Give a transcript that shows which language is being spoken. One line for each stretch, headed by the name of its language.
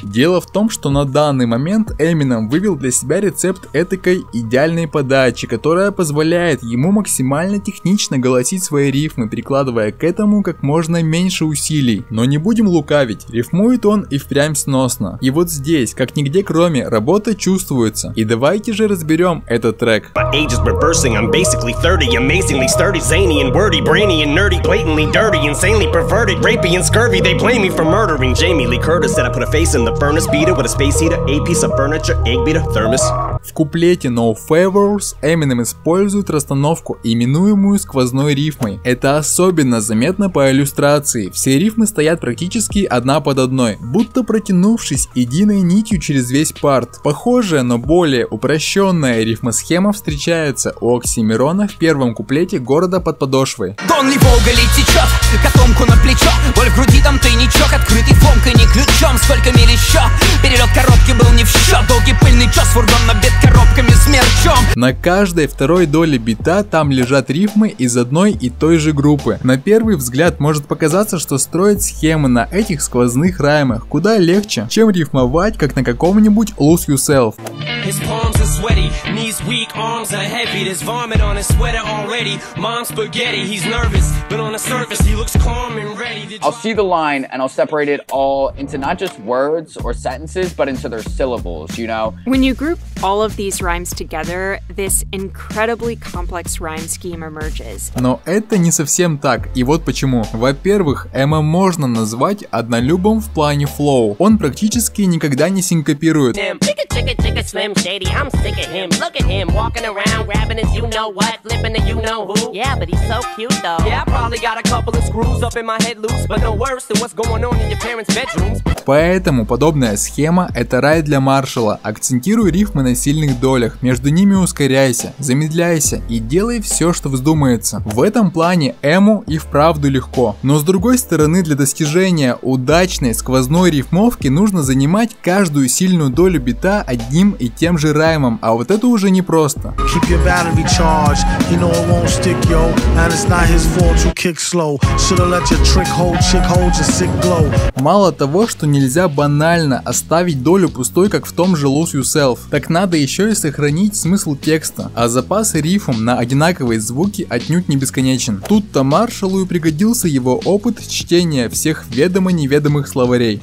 Russian: Дело в том, что на данный момент Эминем вывел для себя рецепт этакой идеальной подачи, которая позволяет ему максимально технично голосить свои рифмы, прикладывая к этому как можно меньше усилий. Но не будем лукавить, рифмует он и впрямь сносно. И вот здесь, как нигде кроме, работа чувствуется. И давайте же разберем этот трек.
English: My age is reversing, I'm basically 30, amazingly sturdy, zany and wordy, brainy and nerdy, blatantly dirty, insanely perverted, rapey and scurvy, they blame me for murdering Jamie Lee Curtis, said I put a face in the furnace, beat it with a space heater, a piece of furniture, egg beater, thermos.
Russian: В куплете No Favors Eminem использует расстановку, именуемую сквозной рифмой. Это особенно заметно по иллюстрации. Все рифмы стоят практически одна под одной, будто протянувшись единой нитью через весь парт. Похожая, но более упрощенная рифмосхема встречается у Оксимирона в первом куплете «Города под подошвой». Дон ли Волга ли течет, котомку на плечо, боль в груди там тайничок, открытый фомкой не ключом, сколько миль еще, перелет коробки был не в счет, долгий пыльный час, фургон на бед коробками с мерчом. На каждой второй доле бита там лежат рифмы из одной и той же группы. На первый взгляд может показаться, что строить схемы на этих сквозных раймах куда легче, чем рифмовать как на каком-нибудь Lose Yourself.
English: His palms are sweaty, knees weak, arms are heavy, there's vomit on his sweater already, mom's spaghetti, he's nervous, but on the surface he looks calm and ready to... I'll see the line and I'll separate it all into not just words or sentences, but into their syllables, you know? When you group all of these rhymes together, this incredibly complex rhyme scheme emerges.
Russian: Но это не совсем так, и вот почему. Во-первых, Эмма можно назвать однолюбом в плане флоу. Он практически никогда не синкопирует.
English: Slim Shady, I'm sick of him. Look at him walking around, grabbing his you know what, flipping the you know who. Yeah, but he's so cute though. Yeah, I probably got a couple of screws up in my head loose, but no worse than what's going on in your parents' bedrooms.
Russian: Поэтому подобная схема – это рай для Маршалла. Акцентируй рифмы на сильных долях, между ними ускоряйся, замедляйся и делай все, что вздумается. В этом плане Эму и вправду легко. Но с другой стороны, для достижения удачной сквозной рифмовки нужно занимать каждую сильную долю бита одним и тем же раймом, а вот это уже непросто.
English: Keep your battery charged, you know it won't stick, yo. And it's not his fault to kick slow. Should've let your trick hold, chick hold your sick glow.
Russian: Мало того, что нельзя банально оставить долю пустой, как в том же Lose Yourself, так надо еще и сохранить смысл текста, а запас рифм на одинаковые звуки отнюдь не бесконечен. Тут-то Маршаллу и пригодился его опыт чтения всех ведомо-неведомых словарей.